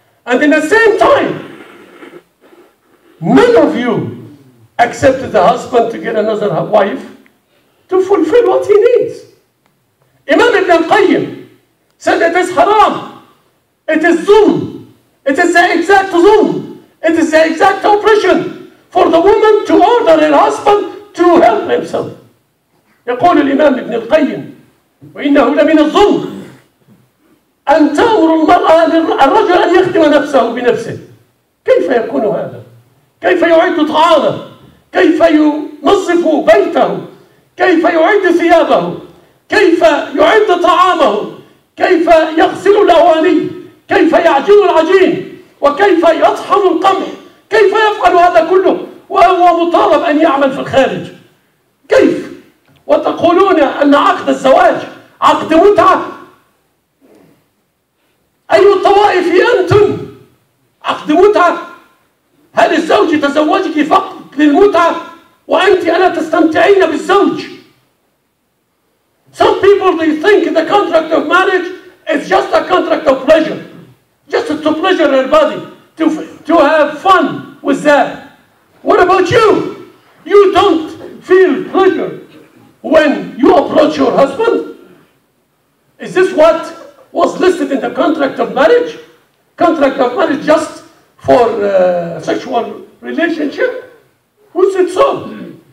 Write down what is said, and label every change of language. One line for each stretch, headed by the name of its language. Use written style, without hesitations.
English: And in the same time, none of you accepted the husband to get another wife to fulfill what he needs. Imam Ibn Qayyim said it is haram. It is zulm. It is the exact zulm. It is the exact oppression for the woman to order her husband to help himself.
Arabic: يقول الإمام ابن القيم وإنه لمن الظلم أن تأمر المرأة للرجل أن يخدم نفسه بنفسه. كيف يكون هذا؟ كيف يعد طعامه؟ كيف ينظف بيته؟ كيف يعد ثيابه؟ كيف يعد طعامه؟ كيف يغسل الأواني؟ كيف يعجن العجين؟ وكيف يطحن القمح؟ كيف يفعل هذا كله وهو مطالب أن يعمل في الخارج؟ كيف؟ وتقولون أن عقد الزواج عقد متعة؟ أي الطوائف أنتم؟ عقد متعة؟ هل الزوج تزوجك فقط للمتعة وأنت ألا تستمتعين بالزوج؟
English: Some people they think the contract of marriage is just a contract of pleasure, just to pleasure her body, to have fun with that. What about you? You don't feel pleasure when you approach your husband? Is this what was listed in the contract of marriage? Contract of marriage just for sexual relationship? Who said so?